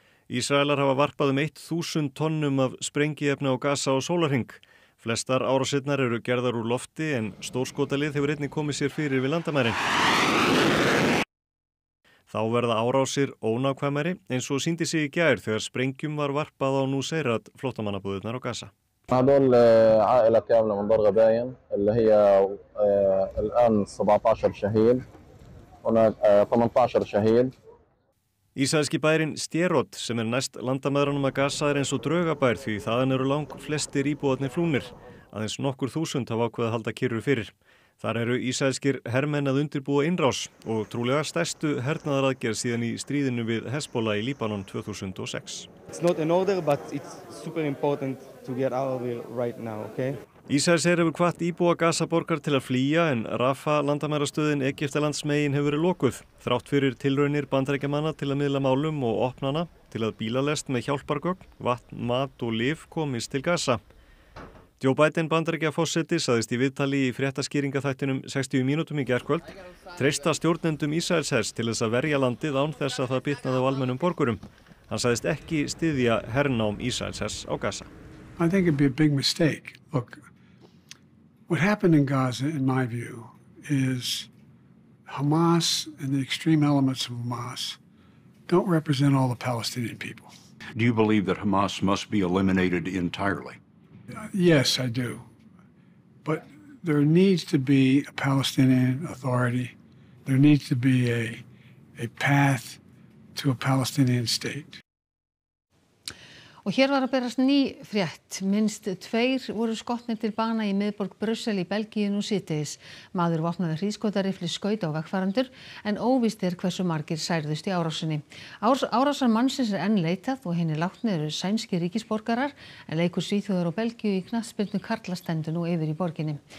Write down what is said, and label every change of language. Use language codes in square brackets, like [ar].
[is] Ísraelar hafa varpað 1000 tonnum af sprengiefni á Gaza og sólarhring. Flestar árásirnar eru gerðar úr lofti en stórskotalið hefur einnig komið sér fyrir við landamærin. Þá verða árásir ónákvæmari eins og sýndi sig í gær þegar sprengjum var varpað á nú seirat flóttamannabúðurnar á Gaza. [ar] هذول عائلة كاملة من ضرغة باين اللي هي الآن 17 شهيد هناك 18 شهيد [is] Ísraelski bærin Sderot sem næst landamæðranum að Gaza eins og draugabær því þaðan eru lang flestir íbúarnir flúnir. Aðeins nokkur þúsund hafa ákveð að halda kyrru fyrir. Þar eru ísraelskir hermenn að undirbúa innrás og trúlega stærstu hernaðaraðgerð síðan í stríðinu við Hezbollah í Líbanon 2006. [en] It's not an order but it's super important to get out of here right now, okay? [is] Ísraels her hefur kvatt íbúa Gaza-borgar til að flýja en Rafa landamærastöðin Egyptalandsmegin hefur verið lokuð. Þrátt fyrir tilraunir bandaríkjamanna til að miðla málum og opnana til að bílalest með hjálpargögn, vatn, mat og lyf komist til Gaza. Joe Biden bandaríkjaforseti sagðist í viðtali í fréttaskýringaþættinum 60 mínútum í gærkvöld treysta stjórnendum Ísraels hers til þess að verja landið án þess að það bitnaði á almennum borgurum. Hann sagðist ekki styðja hernám Ísraels hers á Gaza. [en] I think it'd be a big mistake. Look, what happened in Gaza, in my view, is Hamas and the extreme elements of Hamas don't represent all the Palestinian people. Do you believe that Hamas must be eliminated entirely? Yes, I do. But there needs to be a Palestinian authority. There needs to be a path to a Palestinian state. [is] Og hér var að berast ný frétt. Minnst 2 voru skotnir til bana í miðborg Brussel í Belgíu nú síðdegis. Maður vopnaði hríðskotarifli skaut á vegfarendur en óvíst hversu margir særðust í árásinni. Árásar mannsins enn leitað og hinni látni eru sænskir ríkisborgarar en leikur Svíþjóðar og Belgíu í knattspyrnu karlastendu nú yfir í borginni.